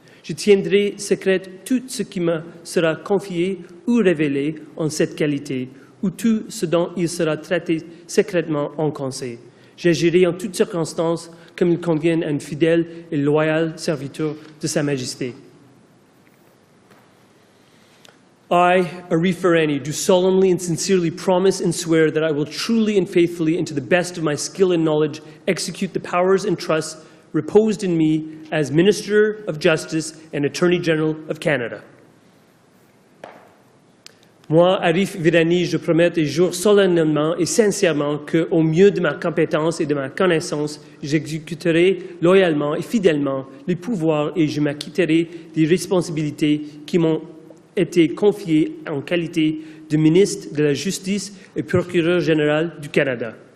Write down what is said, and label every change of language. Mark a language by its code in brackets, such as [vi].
[fr] Je tiendrai secrète tout ce qui me sera confié ou révélé en cette qualité, ou tout ce dont il sera traité secrètement en conseil. J'agirai en toutes circonstances comme il convient à un fidèle et loyal serviteur de Sa Majesté. [en] I, Arif Virani, do solemnly and sincerely promise and swear that I will truly and faithfully and to the best of my skill and knowledge execute the powers and trusts reposed in me as Minister of Justice and Attorney General of Canada. [fr] Moi, Arif Virani, je promets et jure solennellement et sincèrement que, au mieux de ma compétence et de ma connaissance, j'exécuterai loyalement et fidèlement les pouvoirs et je m'acquitterai des responsabilités qui m'ont été confié en qualité de ministre de la Justice et procureur général du Canada.